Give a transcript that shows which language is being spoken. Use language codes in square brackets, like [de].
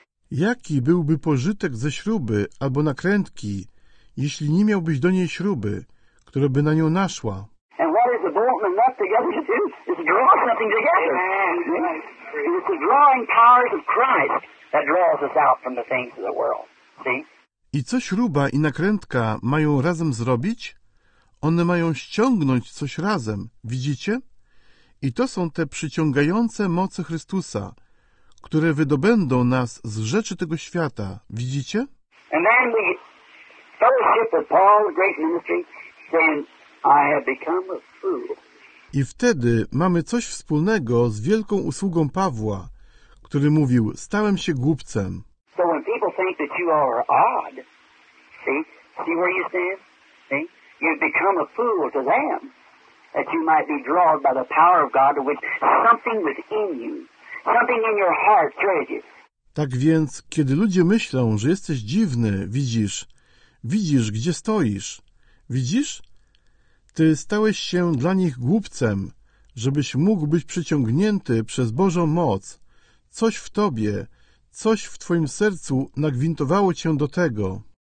[pl] Jaki byłby pożytek ze śruby albo nakrętki, jeśli nie miałbyś do niej śruby, która by na nią naszła? [en] And what is the bolt and nut together to do? It's to draw something together. It's the drawing powers of Christ. That draws us out from the things of the world. See? [pl] I co śruba i nakrętka mają razem zrobić? One mają ściągnąć coś razem, widzicie? I to są te przyciągające moce Chrystusa, które wydobędą nas z rzeczy tego świata, widzicie? [en] And then we fellowship with Paul's great ministry, saying, I have become a fool. [pl] I wtedy mamy coś wspólnego z wielką usługą Pawła, który mówił, stałem się głupcem. [en] So when people think that you are odd, see where you stand? See? You've become a fool to them, that you might be drawn by the power of God with something within you, something in your heart treasures. [pl] Tak więc, kiedy ludzie myślą, że jesteś dziwny, widzisz, gdzie stoisz, widzisz? Ty stałeś się dla nich głupcem, żebyś mógł być przyciągnięty przez Bożą moc. Coś w tobie, coś w twoim sercu nagwintowało cię do tego.